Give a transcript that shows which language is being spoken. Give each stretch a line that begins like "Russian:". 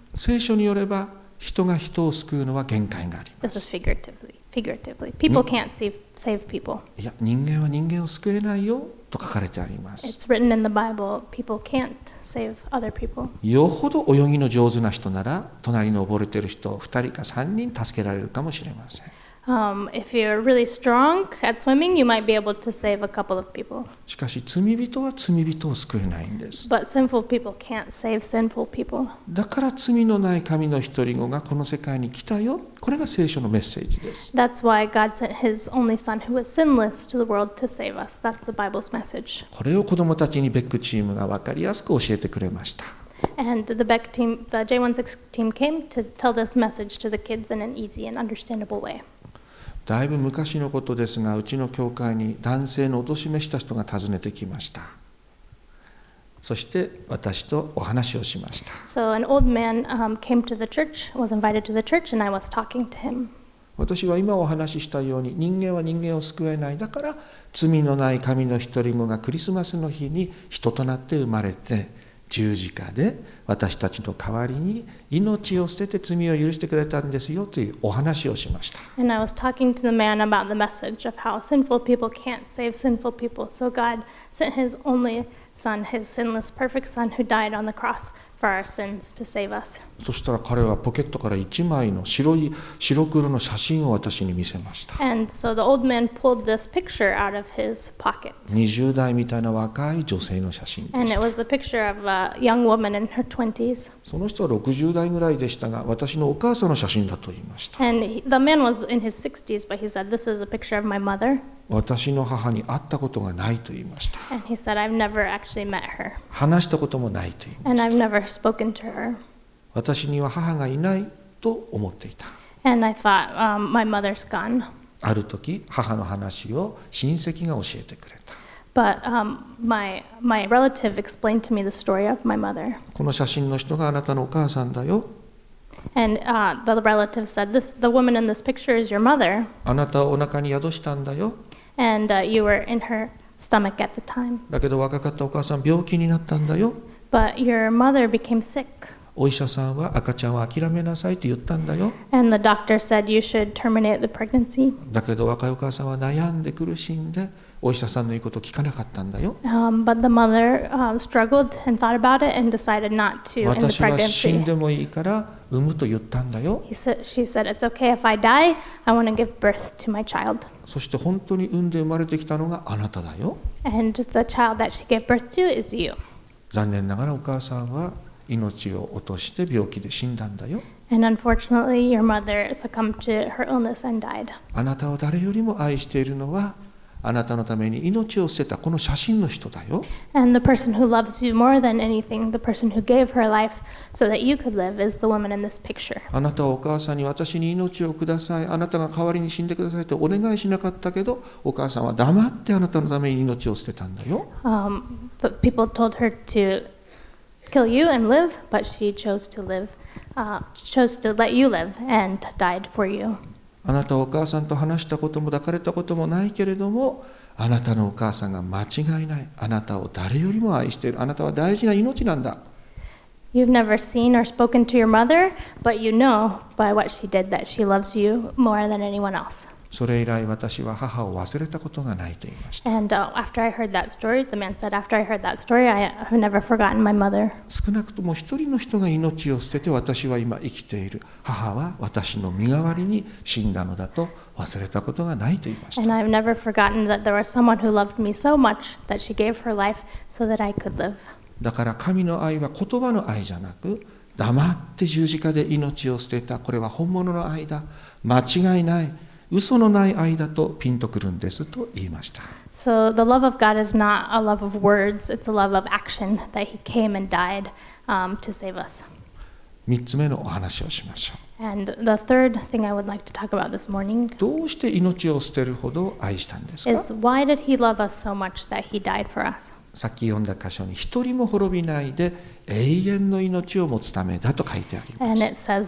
Japanese: 聖書によれば、人が人を救うのは限界があります。
English: This is figuratively. People can't save people.
Japanese: いや、人間は人間を救えないよと書かれてあります。
English: It's written in the Bible. People can't. Save other people.
Japanese: よほど泳ぎの上手な人なら隣の溺れてる人を2人か3人助けられるかもしれません。
English: If you're really strong at swimming, you might be able to save a couple of people.
Japanese: しかし罪人は罪人を救えないんです。
English: But sinful people can't save sinful people.
Japanese: だから罪のない神の一人子がこの世界に来たよ。これが聖書のメッセージです。
English: That's why God sent his only son who was sinless to the world to save us. That's the Bible's message.
Japanese: これを子供たちにベックチームが分かりやすく教えてくれました。
English: And the Beck team, the J16 team came to tell this message to the kids in an easy and understandable way.
Japanese: だいぶ昔のことですが、うちの教会に男性の貶めした人が訪ねてきました。そして私とお話をしました。
English: So an old man came to the church, was invited to the church, and I was talking to him.
Japanese: 私は今お話ししたように、人間は人間を救えない。だから罪のない神の一人子がクリスマスの日に人となって生まれて、十字架で私たちの代わりに命を捨てて罪を許してくれたんですよというお話をしました。
English: And I was talking to the man about the message of how sinful people can't save sinful people. So God sent his only son, his sinless perfect son who died on the cross for our sins to save us.
Japanese: そしたら彼はポケットから一枚の白黒の写真を私に見せました。
English: And so the old man pulled this picture out of his pocket.
Japanese: 20代みたいな若い女性の写真でした。
English: And it was the picture of a young woman in her 20s.
Japanese: その人は60代ぐらいでしたが、私のお母さんの写真だと言いました。
English: And the man was in his 60s, but he said, this is a picture of my mother.
Japanese: 私の母に会ったことがないと言いました。
English: And he said, I've never actually met her.
Japanese: 話したこともないと言いました。
English: And I've never spoken to her.
Japanese: 私には母がいないと思っていた。
English: And I thought, my mother's gone.
Japanese: ある時母の話を親戚が教えてくれた。
English: But, my relative explained to me the story of my mother.
Japanese: この写真の人があなたのお母さんだよ。
English: And, the relative said, the woman in this picture is your mother.
Japanese: あなたをお腹に宿したんだよ。
English: And, you were in her stomach at the time.
Japanese: だけど若かったお母さん病気になったんだよ。
English: But your mother became sick.
Japanese: お医者さんは赤ちゃんを諦めなさいと言ったんだよ。
English: And the doctor said you should terminate the pregnancy.
Japanese: だけど若いお母さんは悩んで苦しんでお医者さんの言うことを聞かなかったんだよ。
English: But the mother struggled and thought about it and decided not to end the pregnancy.
Japanese: 私は死んでもいいから産むと言ったんだよ。
English: She said it's okay if I die, I want to give birth to my child.
Japanese: そして本当に産んで生まれてきたのがあなただよ。
English: And the child that she gave birth to is you.
Japanese: 残念ながらお母さんは命を落として病気で死んだんだよ。
English: And unfortunately, your mother succumbed to her illness and died.
Japanese: あなたを誰よりも愛しているのはあなたのために命を捨てたこの写真の人だよ。
English: And the person who loves you more than anything, the person who gave her life so that you could live, is the woman in this picture.
Japanese: あなたはお母さんに私に命をください、あなたが代わりに死んでくださいとお願いしなかったけど、お母さんは黙ってあなたのために命を捨てたんだよ。
English: But people told her toKill you and live, but she chose to live, chose to let you live and died for you.
Japanese: あなたはお母さんと話したことも抱かれたこともないけれども、あなたのお母さんが間違いない。あなたを誰よりも愛している。あなたは大事な命なんだ。
English: You've never seen or spoken to your mother, but you know by what she did that she loves you more than anyone else.
Japanese: それ以来私は母を忘れたことがないと言いました。
English: And after I heard that story, the man said, after I heard that story, I have never forgotten my mother.
Japanese: 少なくとも一人の人が命を捨てて私は今生きている、母は私の身代わりに死んだのだと忘れたことがないと言いました。
English: And I have never forgotten that there was someone who loved me so much that she gave her life so that I could live.
Japanese: だから神の愛は言葉の愛じゃなく、黙って十字架で命を捨てた、これは本物の愛だ、間違いない、嘘のない愛だとピンとくるんですと言いました。
English: So the love of God is not a love of words, it's a love of action that he came and died to save us.
Japanese: 3つ目のお話をしましょう。
English: And the third thing I would like to talk about this morning.
Japanese: どうして命を捨てるほど愛したんですか?
English: Is why did he love us so much that he died for us?
Japanese: さっき読んだ箇所に一人も滅びないで永遠の命を持つためだと書いてあります。